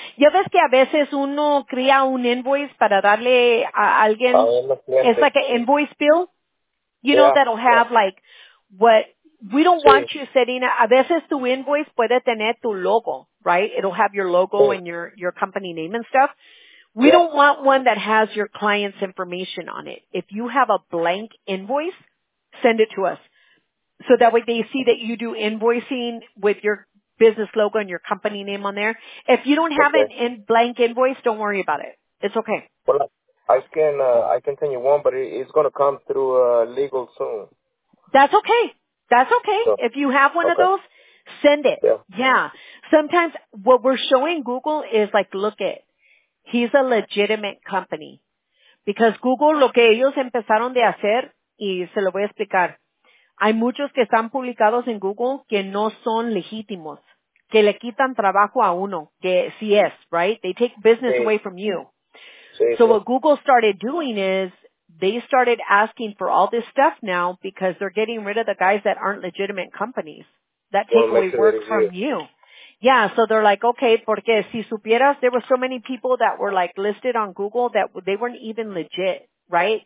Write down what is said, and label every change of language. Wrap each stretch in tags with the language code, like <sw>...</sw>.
<es>¿Ya ves que a veces uno crea un invoice para darle a alguien?</es> <en>It's like an invoice bill. You know, that'll have like what... We don't want you setting...</en> <es>A veces tu invoice puede tener tu logo, right?</es> <en>It'll have your logo and your company name and stuff. We don't want one that has your client's information on it. If you have a blank invoice, send it to us. So that way they see that you do invoicing with your business logo and your company name on there. If you don't have it in blank invoice, don't worry about it. It's okay. Well, I can send you one, but it's going to come through legal soon. That's okay. So, if you have one of those, send it. Yeah. Sometimes what we're showing Google is like, look it. He's a legitimate company. Because</en> <es>Google, lo que ellos empezaron de hacer, y se lo voy a explicar. Hay muchos que están publicados en Google que no son legítimos, que le quitan trabajo a uno, que sí es, right?</es> <en>They take business away from you.</en> <es>Sí,</es> <en>so what Google started doing is they started asking for all this stuff now because they're getting rid of the guys that aren't legitimate companies that take away work from you. Yeah, so they're like, okay,</en> <es>porque si supieras,</es> <en>there were so many people that were, like, listed on Google that they weren't even legit, right?</en>